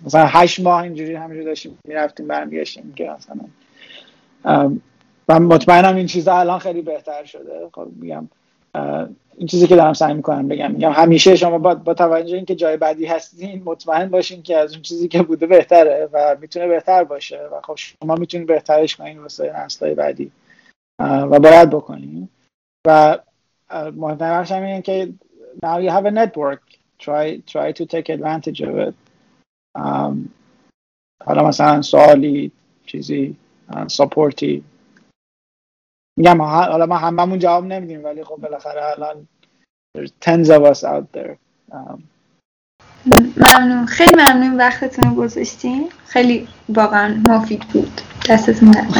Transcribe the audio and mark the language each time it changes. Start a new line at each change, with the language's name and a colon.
Persian: مثلا 8 ماه اینجوری همینجوری داشتیم میرفتیم برمیگشتیم که مثلا من مطمئنم این چیزا الان خیلی بهتر شده. خب میگم این چیزی که دارم سعی میکنم بگم، میگم همیشه شما با توجه اینکه جای بعدی هستین مطمئن باشین که از اون چیزی که بوده بهتره و میتونه بهتر باشه و خب شما میتونید بهترش کنین واسه نسل‌های بعدی و باید بکنین. و مهمترش همین اینه که
English: now you have a network, try to take advantage of it.
Persian: حالا مثلا سوالی چیزی سپورتی میگم، حالا ما هممون جواب نمیدیم ولی خب بالاخره الان
English: there's tens of us out there.
Persian: ممنون، خیلی ممنون وقتتون رو گذاشتین، خیلی واقعا مفید بود. دستتون درد نکنه.